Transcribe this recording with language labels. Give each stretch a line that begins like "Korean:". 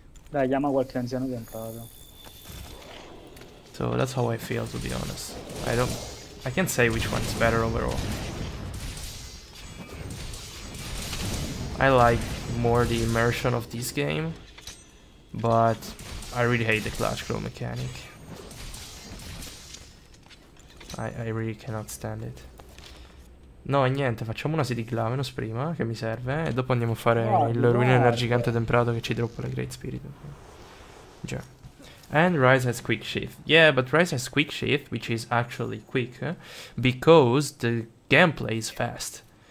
Italian: Dai, chiama qualche anziano che è in casa.
English: So that's how I feel, to be honest. I can't say which one is better overall. I like more the immersion of this game, but I really hate the Clutch Claw mechanic. I really cannot stand it.
Italian: No, e niente, facciamo una City Glavenos prima, che mi serve, e dopo andiamo a fare il Ruiner Gigante Temperato che ci droppa le Great Spirit.
English: Già. And Rise has Quick Shift. Yeah, but Rise has Quick Shift, which is actually quick, because the gameplay is fast.